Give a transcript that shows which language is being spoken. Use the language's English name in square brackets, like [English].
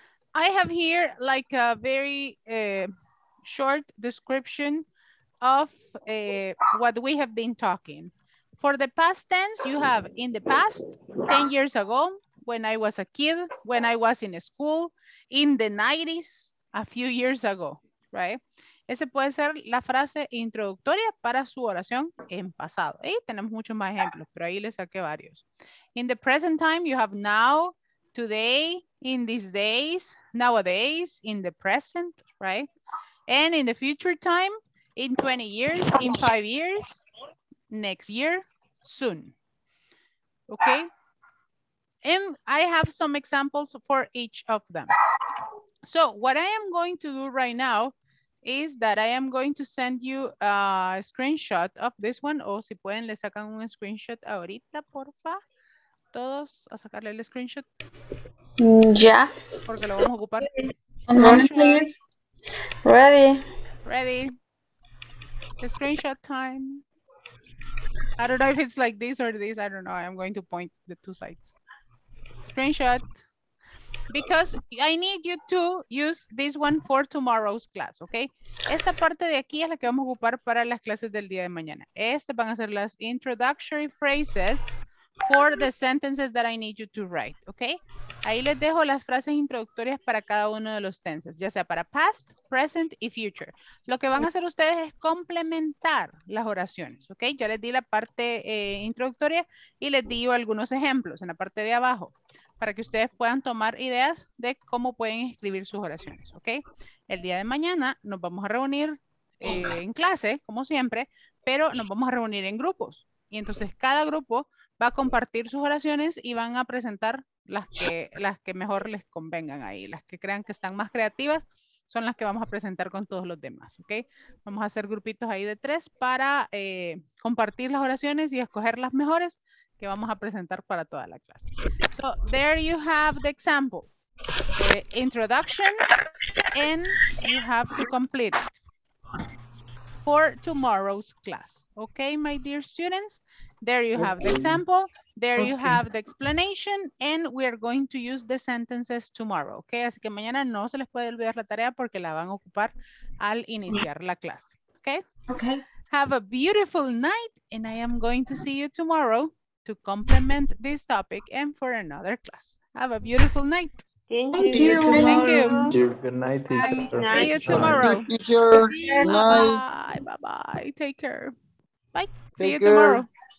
[English] I have here like a very short description of what we have been talking. For the past tense, you have in the past, 10 years ago, when I was a kid, when I was in school, in the 90s, a few years ago, right? [Spanish] Ese puede ser la frase introductoria para su oración en pasado. Y tenemos muchos más ejemplos, pero ahí les saqué varios. [English] In the present time, you have now, today, in these days, nowadays, in the present, right? And in the future time, in 20 years, in 5 years, next year, soon. Okay? And I have some examples for each of them. So what I am going to do right now is that I am going to send you a screenshot of this one. [Spanish] O si pueden, le sacan un screenshot ahorita, porfa. Todos a sacarle el screenshot. Ya. Yeah. Porque lo vamos a ocupar. [English] Ready. Ready. The screenshot time. I don't know if it's like this or this. I don't know. I'm going to point the two sides. Screenshot. Because I need you to use this one for tomorrow's class, okay? [Spanish] Esta parte de aquí es la que vamos a ocupar para las clases del día de mañana. Estas van a ser las [English] introductory phrases for the sentences that I need you to write, okay? [Spanish] Ahí les dejo las frases introductorias para cada uno de los tenses, ya sea para past, present y future. Lo que van a hacer ustedes es complementar las oraciones, okay? Ya les di la parte introductoria y les di algunos ejemplos en la parte de abajo para que ustedes puedan tomar ideas de cómo pueden escribir sus oraciones, okay? El día de mañana nos vamos a reunir en clase, como siempre, pero nos vamos a reunir en grupos. Y entonces cada grupo va a compartir sus oraciones y van a presentar las que mejor les convengan ahí. Las que crean que están más creativas son las que vamos a presentar con todos los demás, ¿ok? Vamos a hacer grupitos ahí de tres para compartir las oraciones y escoger las mejores que vamos a presentar para toda la clase. [English] So, there you have the example. The introduction and you have to complete it. for tomorrow's class. Okay, my dear students, there you have the example. There you have the explanation, and we are going to use the sentences tomorrow. [Spanish] Okay, así que mañana no se les puede olvidar la tarea porque la van a ocupar al iniciar la clase. [English] Okay. Okay. Have a beautiful night, and I am going to see you tomorrow to complement this topic and for another class. Have a beautiful night. Thank you. Good night. See you tomorrow. Good night. Bye bye. Take care. Bye. See you tomorrow.